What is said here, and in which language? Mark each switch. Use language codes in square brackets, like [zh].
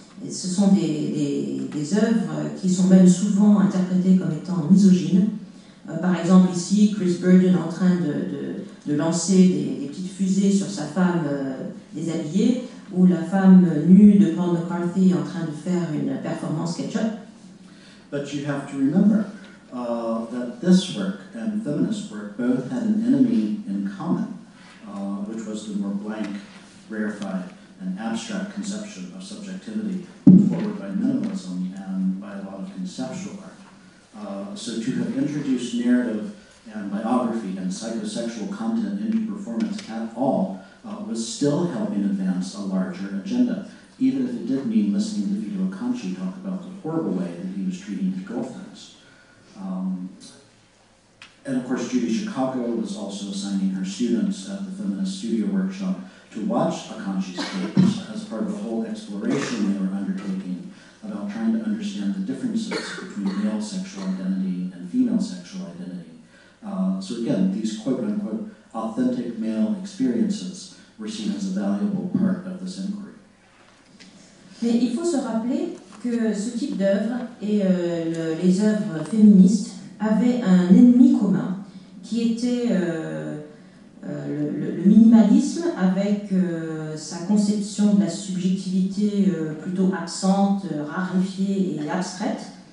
[fr] Ce sont des œuvres qui sont même souvent interprétées comme étant misogynes. Par exemple, ici, Chris Burden en train de lancer des petites fusées sur sa femme déshabillée, ou la femme nue de Paul McCarthy en train de faire une performance catch-up. [en] But you have to remember that this work and feminist work both had an enemy in common. Which was the more blank, rarefied, and abstract conception of subjectivity put forward by minimalism and by a lot of conceptual art. So to have introduced narrative and biography and psychosexual content into performance at all was still helping advance a larger agenda, even if it did mean listening to Vito Acconci talk about the horrible way that he was treating his girlfriends. And of course, Judy Chicago was also assigning her students at the Feminist Studio Workshop to watch Acconci's tapes as part of a whole exploration they were undertaking about trying to understand the differences between male sexual identity and female sexual identity. So again, these quote-unquote authentic male experiences were seen as a valuable part of this inquiry. [fr] Mais il faut se rappeler que ce type d'œuvre et les œuvres féministes avaient un ennemi commun qui était le minimalisme avec sa conception de la subjectivité plutôt absente, rarifiée et abstraite.